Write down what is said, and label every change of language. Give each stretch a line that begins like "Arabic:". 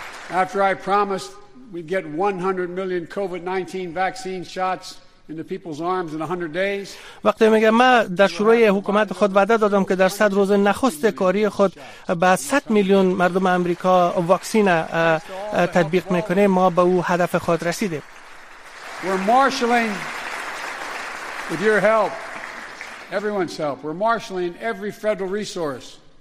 English: After I promised we'd get 100 million COVID-19 vaccine shots in the people's arms in 100 days.
Persian: وقتی میگم ما در شروع حکومت خود وعده دادم که در 100 روز نخست کاری خود به 100 میلیون مردم آمریکا واکسن تطبیق میکنیم، ما به او هدف خود رسیدیم.
English: We're marshaling with your help, everyone's help. We're marshaling every federal resource.